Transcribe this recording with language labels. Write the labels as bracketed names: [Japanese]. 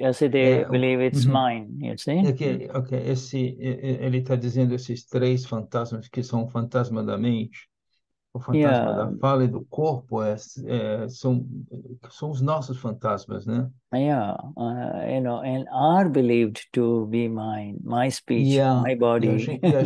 [English] I say they believe it's mine, you see. [Portuguese] Okay, esse, ele está dizendo esses três fantasmas que são o fantasma da mente, o fantasma da fala e do corpo, são os nossos fantasmas, né? [English] You know, and are believed to be mine, my speech, my body.